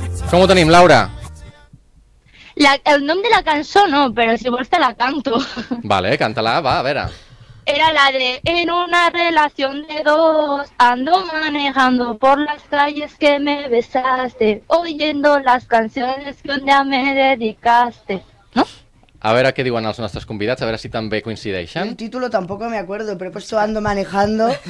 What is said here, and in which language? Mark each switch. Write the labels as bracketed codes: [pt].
[ca] Com ho tenim, Laura? El nom de la cançó no, però si vols te la canto. Vale, canta-la, va, a veure. [es] Era la de En una relación de dos ando manejando por las calles que me besaste oyendo las canciones que un día me dedicaste. [ca] A veure què diuen els nostres convidats, a veure si també coincideixen. [es] El título tampoco me acuerdo, pero he puesto Ando manejando.